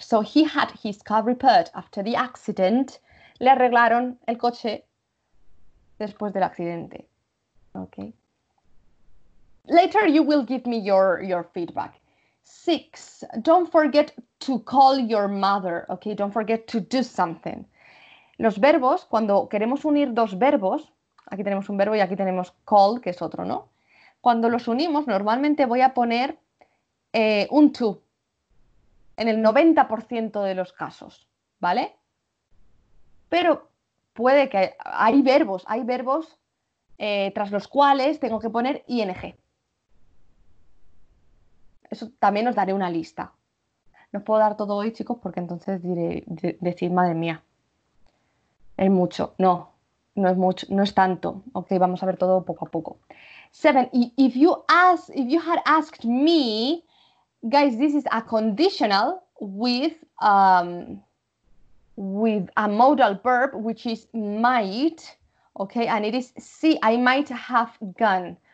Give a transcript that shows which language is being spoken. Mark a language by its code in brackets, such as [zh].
[en] So he had his car repaired after the accident. [es] Le arreglaron el coche después del accidente. [en] ¿Ok? Later you will give me your feedback. Six, don't forget to call your mother, ok? Don't forget to do something. [es] Los verbos, cuando queremos unir dos verbos, aquí tenemos un verbo y aquí tenemos call, que es otro, ¿no? Cuando los unimos, normalmente voy a poner un to en el 90% de los casos, ¿vale? Pero puede que hay verbos tras los cuales tengo que poner ing. Eso también os daré una lista. No os puedo dar todo hoy, chicos, porque entonces diré, decir, madre mía, es mucho. No, no es mucho, no es tanto. Ok, vamos a ver todo poco a poco. [en] Seven, if you had asked me, guys, this is a conditional with a modal verb, which is might, ok, and it is see, I might have gone.